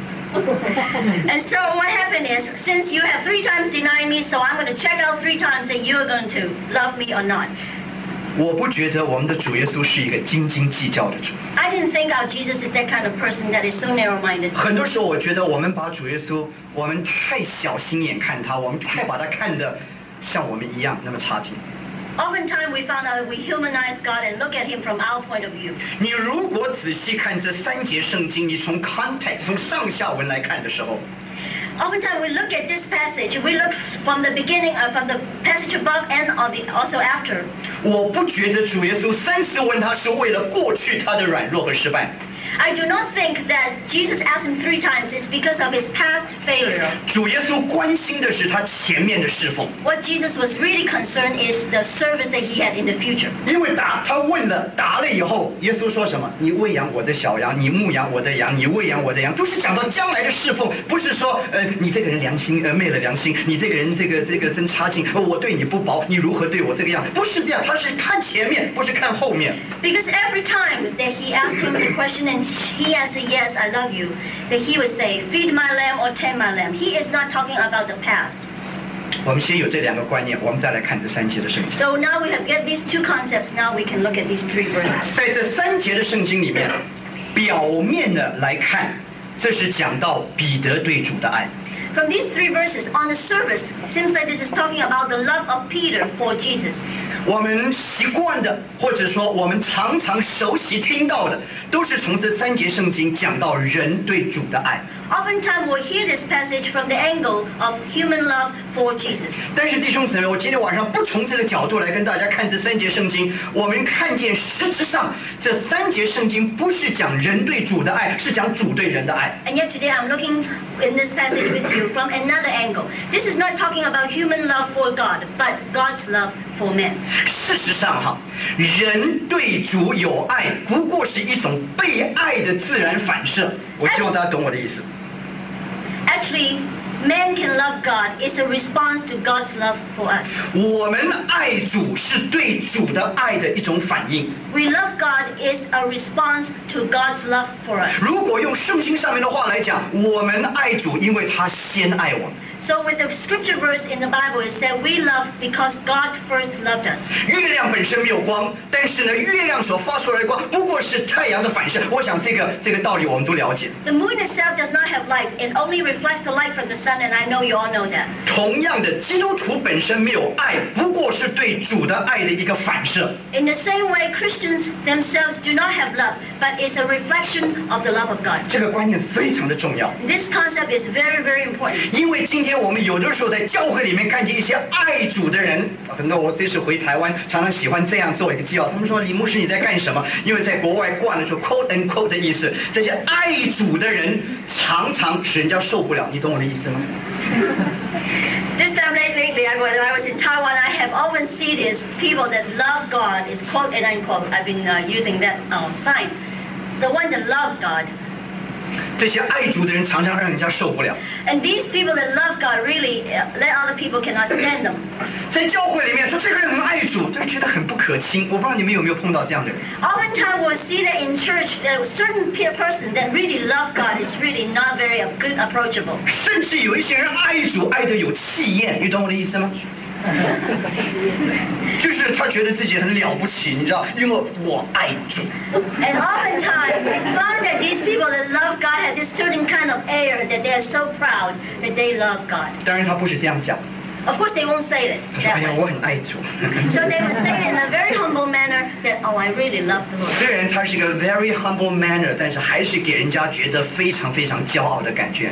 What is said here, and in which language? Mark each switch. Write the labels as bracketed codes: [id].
[en] And so what happened is, since you have three times denied me, so I'm going to check out three times that you are going to love me or not. [zh] 我不觉得我们的主耶稣是一个斤斤计较的主。 [en] I didn't think our Jesus is that kind of person that is so narrow-minded. [zh] 很多时候我觉得我们把主耶稣，我们太小心眼看他，我们太把他看得像我们一样那么差劲。 [en] Oftentimes we found out we humanize God and look at Him from our point of view. [zh] 你如果仔细看这三节圣经，你从 context 从上下文来看的时候 [en] ，Oftentimes we look at this passage. We look from the beginning, from the passage above and also after. [zh] 我不觉得主耶稣三次问他是为了过去他的软弱和失败。 [en] I do not think that Jesus asked him three times is because of his past failure. [zh] 主耶稣关心的是他前面的侍奉。 [en] What Jesus was really concerned is the service that he had in the future. [zh] 因为他问了，答了以后，耶稣说什么？你喂养我的小羊，你牧养我的羊，你喂养我的羊，就是讲到将来的侍奉，不是说你这个人良心昧了良心，你这个人这个真差劲，我对你不薄，你如何对我这个样？不是这样，他是看前面，不是看后面。 [en] Because every time that he asked him the question and he answered yes I love you that he would say feed my lamb or tend my lamb he is not talking about the past [zh] 我们先有这两个观念我们再来看这三节的圣经 [en] so now we have got these two concepts now we can look at these three verses [zh] 在这三节的圣经里面表面的来看这是讲到彼得对主的爱 [en] from these three verses on the surface seems like this is talking about the love of Peter for Jesus [zh] 我们习惯的，或者说我们常常熟悉听到的，都是从这三节圣经讲到人对主的爱。 [en] Oftentimes we hear this passage from the angle of human love for Jesus. [zh] 但是弟兄姊妹，我今天晚上不从这个角度来跟大家看这三节圣经，我们看见实质上这三节圣经不是讲人对主的爱，是讲主对人的爱。 [en] And yet today I'm looking in this passage with you from another angle. This is not talking about human love for God, but God's love for men. [zh] 事实上哈，人对主有爱不过是一种被爱的自然反射，我希望大家懂我的意思。 [en] Actually, man can love God is a response to God's love for us. [zh] 我们爱主是对主的爱的一种反应。 [en] We love God is a response to God's love for us. [zh] 如果用圣经上面的话来讲，我们爱主因为他先爱我。 [en] So with the scripture verse in the Bible, it said, "We love because God first loved us." [zh] 月亮本身没有光，但是呢，月亮所发出来的光不过是太阳的反射。我想这个道理我们都了解。 [en] The moon itself does not have light; it only reflects the light from the sun, and I know you all know that. [zh] 同样的，基督徒本身没有爱，不过是对主的爱的一个反射。 [en] In the same way, Christians themselves do not have love, but it's a reflection of the love of God. [zh] 这个观念非常的重要。 [en] This concept is very, very important. [zh] 因为今天我们有的时候在教会里面看见一些爱主的人，那我这次回台湾常常喜欢这样做一个记号，他们说李牧师你在干什么，因为在国外惯了说 [en] quote and quote [zh] 的意思，这些爱主的人常常使人家受不了，你懂我的意思吗？ [en] This time lately, when I was in Taiwan, I have often seen these people that love God is quote and unquote. I've been using that sign, the one that love God. [zh] 这些爱主的人常常让人家受不了。 [en] And these people that love God really let other people cannot stand them. [zh] 在教会里面说这个人很爱主，就觉得很不可亲。我不知道你们有没有碰到这样的人。 [en] Oftentimes we see that in church that certain person that really love God is really not very good approachable. [zh] 甚至有一些人爱主爱得有气焰，你懂我的意思吗？就是他觉得自己很了不起，你知道，因为我爱主。 [en] And oftentimes we find that these people that love God have this certain kind of air that they are so proud that they love God. [zh] 当然他不是这样讲。 [en] Of course they won't say it. [zh] 他说：“哎呀，我很爱主。 [en] ”So they will say it in a very humble manner that, oh, I really love the Lord. [zh] 虽然他是一个 [en] very humble manner， [zh] 但是还是给人家觉得非常非常骄傲的感觉。